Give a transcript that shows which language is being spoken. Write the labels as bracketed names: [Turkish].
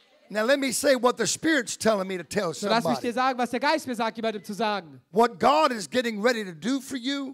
[English] Now let me say what the Spirit's telling me to tell somebody. [German] Lass mich dir sagen, was der Geist mir sagt, jemandem zu sagen. [English] What God is getting ready to do for you.